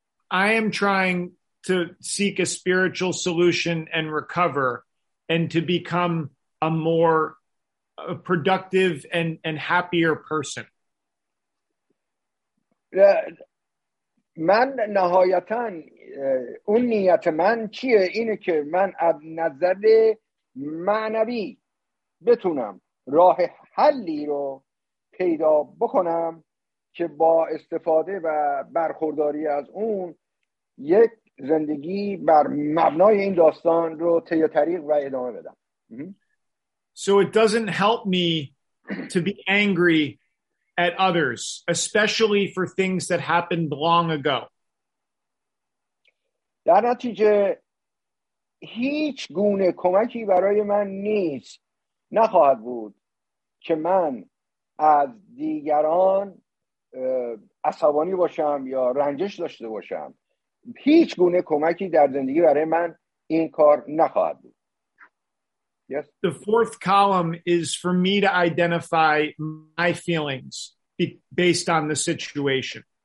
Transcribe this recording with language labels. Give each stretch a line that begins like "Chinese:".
English: I am trying to seek a spiritual solution and recover and to become a more productive and happier person.
Persian: من نهایتاً اون نیت من چیه؟ اینه که من از نظر معنوی بتونم راه حلی رو پیدا بکنم که با استفاده و برخورداری از اون یک زندگی بر مبنای این داستان رو طی طریق و ادامه بدم.
English: So it doesn't help me to be angry at others, especially for things that happened long ago.
Persian: در نتیجه هیچ گونه کمکی برای من نیست، نخواهد بود که من از دیگران عصبانی باشم یا رنجش داشته باشم. هیچ گونه کمکی در زندگی برای من این کار نخواهد بود.
English: Yes. The fourth column is for me to identify my feelings based on the situation.